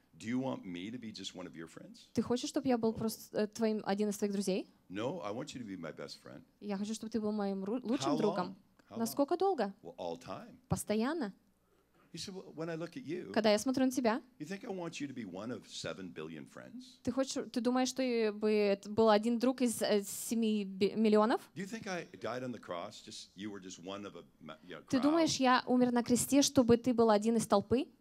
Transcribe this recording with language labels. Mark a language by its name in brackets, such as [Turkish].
[English] do you want me to be just one of your friends? [Russian] Ты хочешь, чтобы я был просто твоим один из твоих друзей? [English] No, I want you to be my best friend. [Russian] Я хочу, чтобы ты был моим лучшим другом. Насколько долго? [English] Well, all time. [Russian] Постоянно. [English] He said, well, when I look at you, [Russian] когда я смотрю на тебя, [English] you think I want you to be one of 7 billion friends? [Russian] Ты хочешь, ты думаешь, что я бы был один друг из 7 миллионов? [English] Do you think I died on the cross just you were just one of a crowd? [Russian] Ты думаешь, я умер на кресте, чтобы ты был один из толпы?